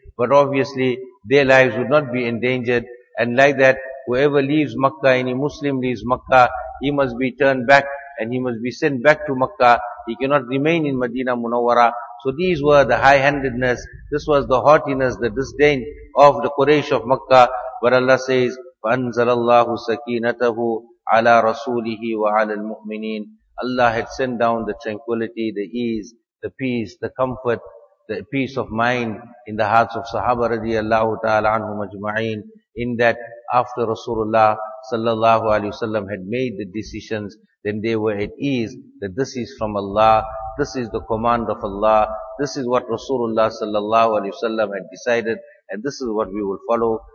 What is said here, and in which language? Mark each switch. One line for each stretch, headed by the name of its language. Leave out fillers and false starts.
English: But obviously, their lives would not be endangered. And like that, whoever leaves Makkah, any Muslim leaves Makkah, he must be turned back and he must be sent back to Makkah. He cannot remain in Madinah Munawwara. So these were the high-handedness, this was the haughtiness, the disdain of the Quraysh of Makkah. But Allah says,
Arabic: فَأَنزَلَ اللَّهُ سَكِينَتَهُ عَلَى رَسُولِهِ وَعَلَى الْمُؤْمِنِينَ.
English: Allah had sent down the tranquility, the ease, the peace, the comfort, the peace of mind in the hearts of Sahaba radiallahu ta'ala anhum ajma'een, in that after Rasulullah sallallahu alayhi wasallam had made the decisions, then they were at ease that this is from Allah, this is the command of Allah, this is what Rasulullah sallallahu alayhi wasallam had decided, and this is what we will follow.